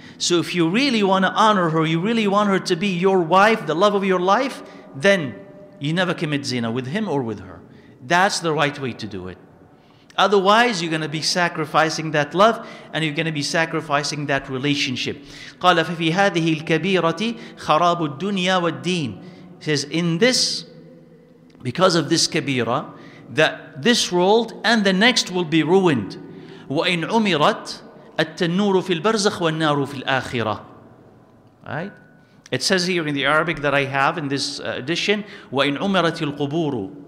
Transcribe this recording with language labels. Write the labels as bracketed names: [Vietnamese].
[English] So if you really want to honor her, you really want her to be your wife, the love of your life, then you never commit zina with him or with her. That's the right way to do it. Otherwise, you're going to be sacrificing that love and you're going to be sacrificing that relationship. [Arabic] قال ففي هذه الكبيرة خراب الدنيا والدين. [English] He says, in this, because of this kabira, that this world and the next will be ruined. [Arabic] وَإِنْ عُمِرَتْ التَّنُّورُ فِي الْبَرْزَخِ وَالنَّارُ فِي الْآخِرَةِ. [English] Right? It says here in the Arabic that I have in this edition, [Arabic] وَإِنْ عُمِرَتِ الْقُبُورُ.